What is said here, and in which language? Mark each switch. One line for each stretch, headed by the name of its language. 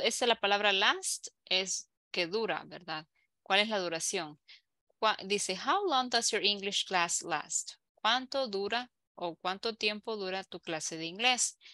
Spanish: Esa es la palabra last, es que dura, ¿verdad? ¿Cuál es la duración?
English: Dice, how long does your English class last?
Spanish: ¿Cuánto dura o cuánto tiempo dura tu clase de inglés?